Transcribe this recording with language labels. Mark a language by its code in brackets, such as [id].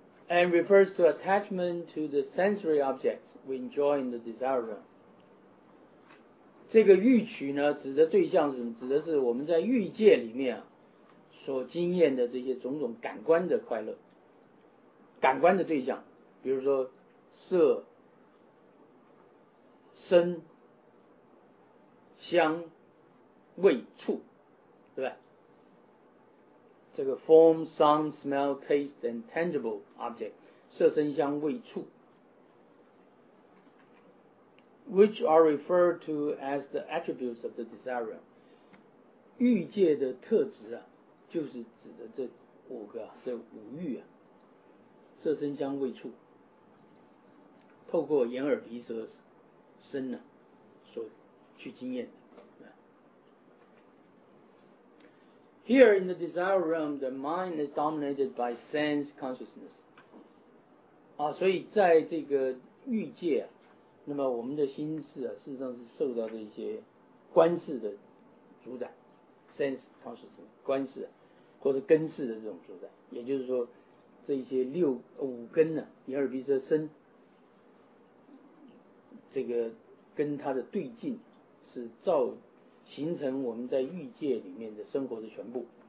[en] And refers to attachment to the sensory objects we enjoy in the desire realm. [zh] 这个欲取呢，指的对象是什么？指的是我们在欲界里面、啊、所经验的这些种种感官的快乐，感官的对象，比如说色、声、香、味、触，对吧？ [en] 这个 form, sound, smell, taste, and tangible object, [zh] 色、声、香、味、触。 [en] Which are referred to as the attributes of the desire realm. [zh] 欲界的特质啊，就是指的这五个、啊、这五欲啊，色、声、香、味、触，透过眼、耳、鼻、舌、身呢、啊，所去经验的。 [en] Here in the desire realm, the mind is dominated by sense consciousness. [zh] 啊，所以在这个欲界、啊。那么我们的心事啊，事实上是受到这些观事的主宰 ，sense consciousness 观事、啊、或者根事的这种主宰，也就是说，这些六五根呢、啊，眼耳鼻舌身，这个跟它的对境是造形成我们在欲界里面的生活的全部。